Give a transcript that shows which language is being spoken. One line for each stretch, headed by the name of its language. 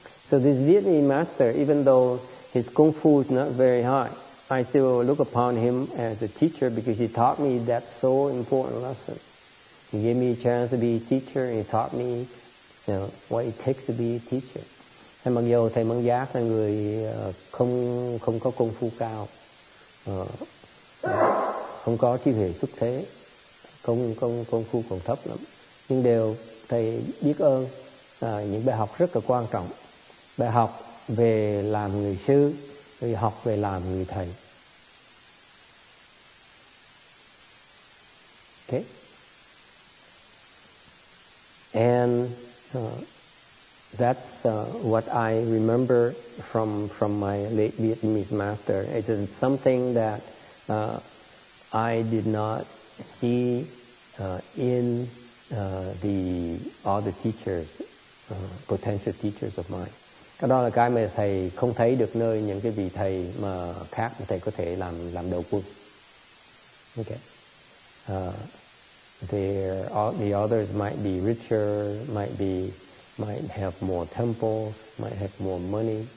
English: So this Vietnamese master, even though his kung fu is not very high, I still look upon him as a teacher because he taught me that so important lesson. He gave me a chance to be a teacher and he taught me, you know, what it takes to be a teacher.
Vietnamese: Thế mặc dù thầy Mạng Giác là người không có công phu cao, không có trí huệ xuất thế, công phu còn thấp lắm, nhưng đều thầy biết ơn những bài học rất là quan trọng. Bài học về làm người sư, bài học về làm người thầy.
English: Okay. And that's what I remember from my late Vietnamese master. It is something that I did not see in the all the teachers, potential teachers of mine.
Vietnamese: Cái đó là cái mà thầy không thấy được nơi những cái vị thầy mà khác mà thầy có thể làm đầu quân. Okay.
English: The others might be richer, might have more temples, might have more money.